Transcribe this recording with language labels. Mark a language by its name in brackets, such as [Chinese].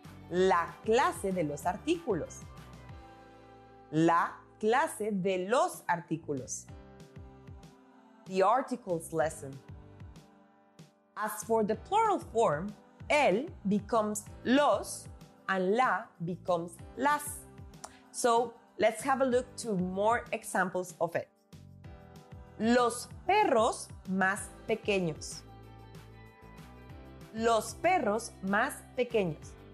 [Spanish] La clase de los artículos. La clase de los artículos. [English] The articles lesson. As for the plural form, el becomes los and la becomes las. So let's have a look to more examples of it. [Spanish] Los perros más pequeños. Los perros más pequeños.